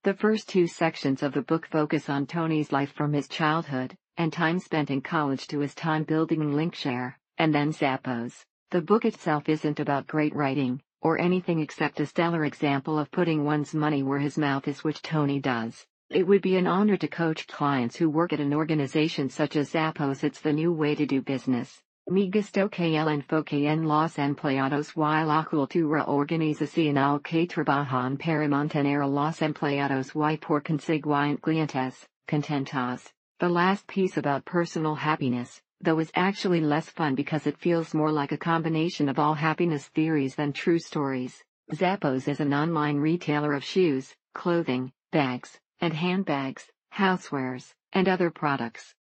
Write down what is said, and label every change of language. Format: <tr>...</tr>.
<en>The first two sections of the book focus on Tony's life from his childhood and time spent in college to his time building Linkshare, and then Zappos. The book itself isn't about great writing or anything except a stellar example of putting one's money where his mouth is, which Tony does. It would be an honor to coach clients who work at an organization such as Zappos. It's the new way to do business.</en> <es>Me gusto que el enfoque en los empleados y la cultura organizacional que trabajan para mantener a los empleados y por consiguiente clientes contentos.</es> <en>The last piece about personal happiness, though, is actually less fun because it feels more like a combination of all happiness theories than true stories. Zappos is an online retailer of shoes, clothing, bags, and handbags, housewares, and other products.</en>